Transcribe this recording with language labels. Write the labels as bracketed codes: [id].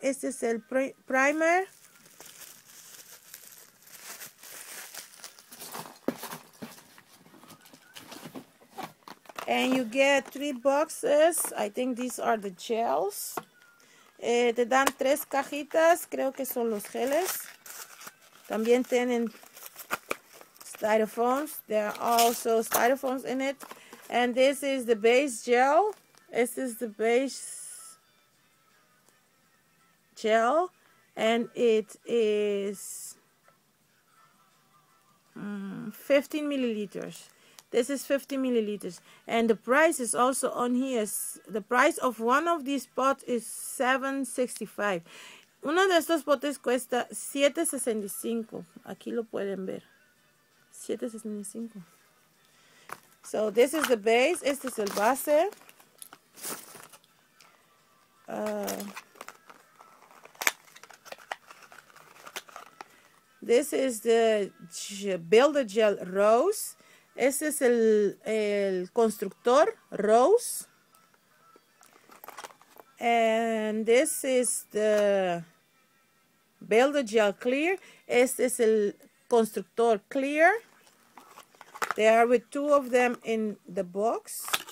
[es] Este es el primer. [en] And you get 3 boxes. I think these are the gels. [es] Te dan 3 cajitas. Creo que son los geles. También tienen styrofoams. [en] There are also styrofoams in it. And this is the base gel. This is the base gel. And it is 15 milliliters. This is 50 milliliters. And the price is also on here. The price of one of these pots is $7.65. [es] Uno de estos potes cuesta $7.65. Aquí lo pueden ver. $7.65. [en] So this is the base. [es] Este es el base. [en] This is the Builder Gel Rose. [es] Este es el constructor Rose. [en] And this is the Builder Gel Clear. [es] Este es el constructor Clear. [en] They are with 2 of them in the box.